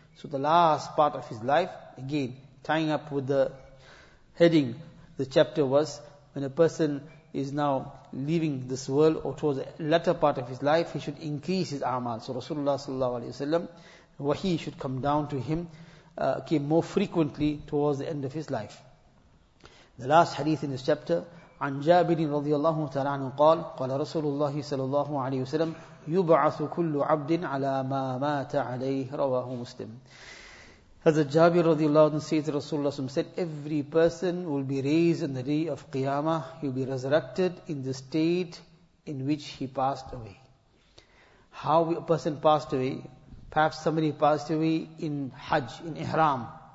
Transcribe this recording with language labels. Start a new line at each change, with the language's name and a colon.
English: So the last part of his life, again, tying up with the heading, the chapter was, when a person is now leaving this world or towards the latter part of his life, he should increase his a'mal. So Rasulullah sallallahu alayhi wa sallam, wahi should come down to him, came more frequently towards the end of his life. The last hadith in this chapter,
Arabic: عن جابر رضي الله تعالى عنه قال قال رسول الله صلى الله عليه وسلم يبعث كل عبد على ما مات عليه رواه مسلم.
English: Hazrat Jabir radiallahu anhu says, Rasulullah SAW said, every person will be raised on the day of Qiyamah. He will be resurrected in the state in which he passed away. How a person passed away? Perhaps somebody passed away in Hajj, in Ihram.